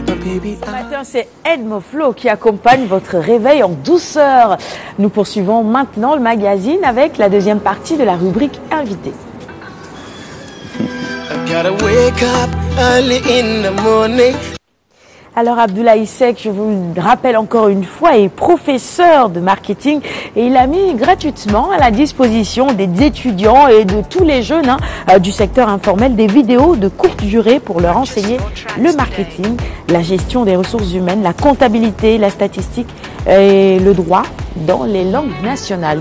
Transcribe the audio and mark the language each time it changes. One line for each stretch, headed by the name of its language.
French: Ce matin, c'est Edmo Flo qui accompagne votre réveil en douceur. Nous poursuivons maintenant le magazine avec la deuxième partie de la rubrique Invité.
English: I gotta wake up early in the morning.
French: Alors Abdoulaye Seck, je vous le rappelle encore une fois, est professeur de marketing et il a mis gratuitement à la disposition des étudiants et de tous les jeunes hein, du secteur informel des vidéos de courte durée pour leur enseigner le marketing, la gestion des ressources humaines, la comptabilité, la statistique et le droit dans les langues nationales.